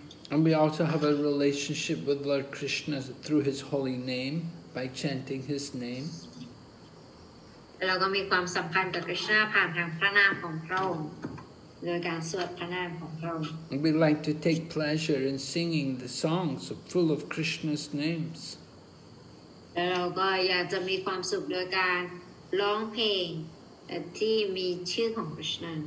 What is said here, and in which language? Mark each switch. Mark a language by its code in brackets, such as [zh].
[en] And we also have a relationship with Lord Krishna through his holy name, by chanting his name. [th] เราก็มีความสัมพันธ์กับคริสต์ผ่านทางพระนามของพระองค์โดยการสวดพระนามของพระองค์ [en] We like to take pleasure in singing the songs full of Krishna's names [th] แล้วเราก็อยากจะมีความสุขโดยการร้องเพลงที่มีชื่อของคริสต์